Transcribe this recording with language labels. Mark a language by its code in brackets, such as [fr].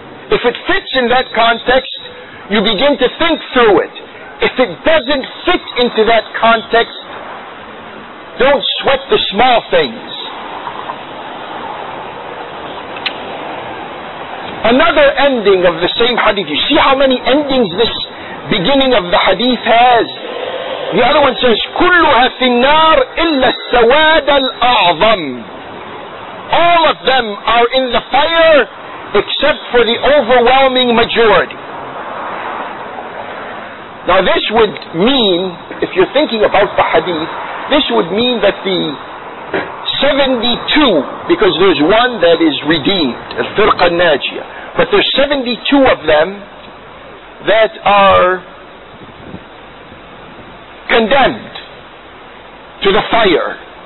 [en] If it fits in that context, you begin to think through it. If it doesn't fit into that context, Don't sweat the small things. Another ending of the same hadith. You see how many endings this beginning of the hadith has? The other one says, [ar] كلها في النار إلا السواد الأعظم. [en] All of them are in the fire except for the overwhelming majority. Now this would mean, if you're thinking about the hadith, this would mean that the 72, because there's one that is redeemed, Al-Firqa Najiyah, but there's 72 of them that are condemned to the fire.